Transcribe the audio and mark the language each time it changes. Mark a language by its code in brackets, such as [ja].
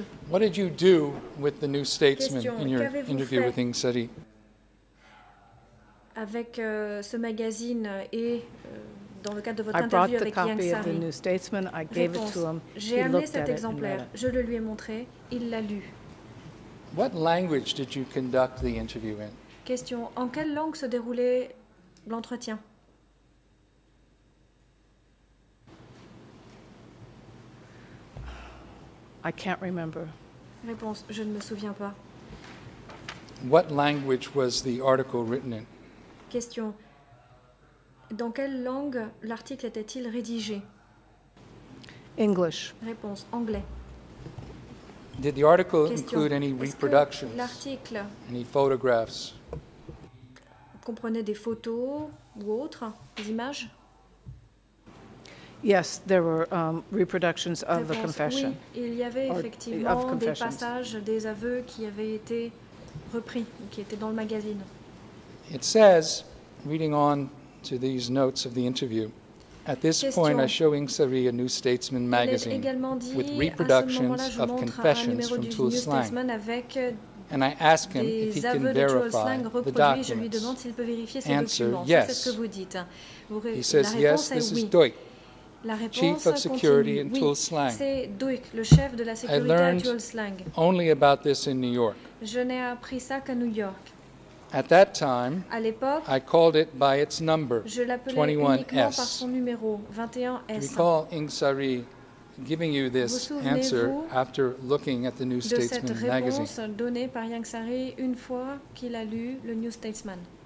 [en] What did you do with the New Statesman in your interview with Ing Sari? [fr] Avec ce magazine et dans le cadre de votre interview avec [en] Ing Sari. I brought the copy of the New Statesman. I gave it to him. [fr] J'ai amené cet exemplaire. Je le lui ai montré. Il l'a lu. [en] What language did you conduct the interview in? [fr] Question. En quelle langue se déroulait l'entretien? [en] I can't remember. [fr] Réponse, je ne me souviens pas. [en] What language was the article written in? [fr] Question, dans quelle langue l'article était-il rédigé? [en] English. [fr] Réponse, anglais. [en] Did the article Question. Include any reproductions? [fr] Est-ce que l'article... [en] Any photographs? [fr] Comprenait des photos ou autres, des images? [en] Yes, there were reproductions of the confession. [fr] Oui, il y avait effectivement des passages, des aveux qui avaient été repris, qui étaient dans le magazine. [en] It says, reading on to these notes of the interview, at this [fr] Question. [en] Point I show Ing Sari a New Statesman magazine with reproductions of confessions from Tu Sling. And I ask him if he can verify the documents. Answer, yes. He says, yes, this is Doik, chief of security in Tu Sling. I learned only about this in New York. [fr] Je n'ai appris ça qu'à New York. [en] At that time, [fr] à l'époque, [en] I called it by its number, [fr] je l'appelais 21S. Uniquement par son numéro, 21S. [en] Do you recall Ingsari giving you this answer after looking at the New Statesman magazine? [fr] De cette réponse donnée par Ingsari une fois qu'il a lu le New Statesman.